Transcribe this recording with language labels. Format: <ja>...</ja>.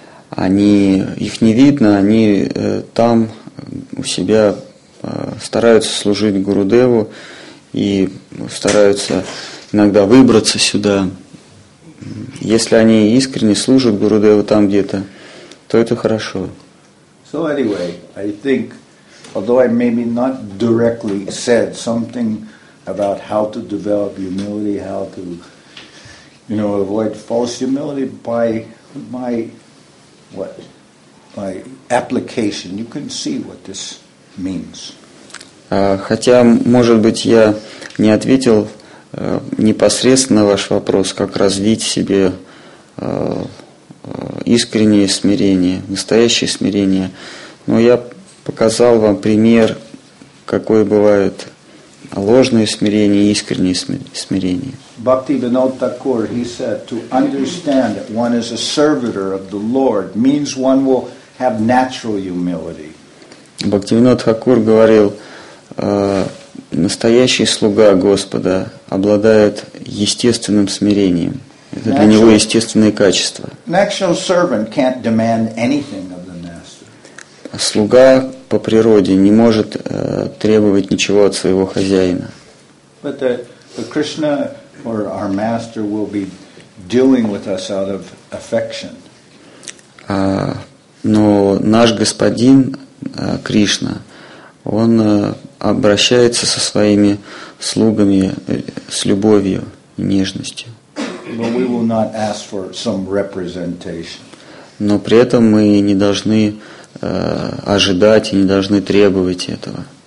<ru>Они, их не видно, они там у себя стараются служить Гурудеву и стараются иногда выбраться сюда. Если они искренне служат Гурудеву там где-то, то это хорошо.</ru> <en>So anyway, I think, although I maybe not directly said something about how to develop humility, how to, you know, avoid false humility by my, what, by application, you can see what this means.</en> <ru>Хотя, может быть, я не ответил непосредственно ваш вопрос, как развить в себе искреннее смирение, настоящее смирение. Но я показал вам пример, какое бывает ложное смирение и искреннее смирение.</ru> <en>Бхактивинод Такур, he said, to understand that one is a servitor of the Lord means one will have natural humility.</en> <ru>Бхактивинод Такур говорил, настоящий слуга Господа обладает естественным смирением. Это для него естественное качество.</ru> <en>Natural servant can't demand anything of the master.</en> <ru>Слуга по природе не может требовать ничего от своего хозяина.</ru> <en>But the Krishna or our master will be dealing with us out of affection.</en> <ru>Но наш господин Кришна, он обращается со своими слугами с любовью и нежностью. Но при этом мы не должны ожидать и не должны требовать этого.</ru>